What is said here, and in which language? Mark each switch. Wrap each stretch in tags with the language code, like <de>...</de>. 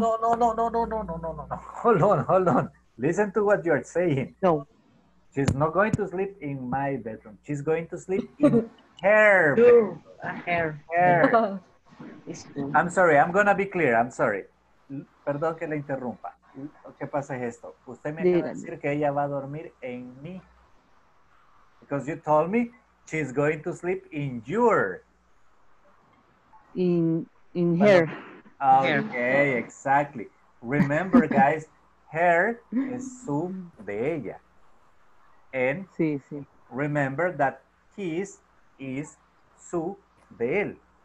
<en>No. Hold on. Listen to what you're saying. No. She's not going to sleep in my bedroom. She's going to sleep in her bedroom. Her. I'm sorry, I'm going to be clear, I'm sorry.</en> <es>Perdón que le interrumpa. ¿Qué pasa es esto? Usted me acaba de decir que ella va a dormir en mí.</es> <en>Because you told me she's going to sleep in your. In her. Okay, exactly. Remember, guys, her es</en> <es>su de ella.</es> <en>And remember that his is</en> <es>su de él.</es>